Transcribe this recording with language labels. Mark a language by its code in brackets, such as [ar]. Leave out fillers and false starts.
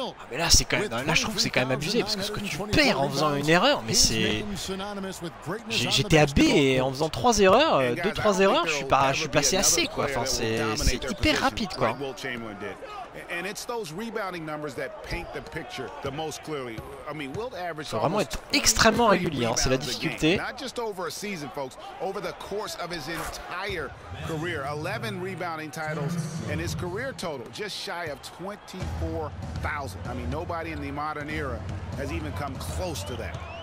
[fr] mais là, c'est quand même. Là, je trouve que c'est quand même abusé. Parce que ce que tu perds en faisant une erreur, mais c'est. J'étais à B et en faisant 3 erreurs, 2-3 erreurs, je suis passé à C, quoi. Enfin, c'est hyper rapide, quoi. [en] And it's those rebounding numbers that paint the picture the most clearly. I mean, Wilt average. [fr] Faut vraiment être extrêmement régulier, hein, c'est la difficulté. [en] Not just over a season, folks, over the course of his entire career. 11 rebounding titles and his career total just shy of 24,000. I mean, nobody in the modern era has even come close to that.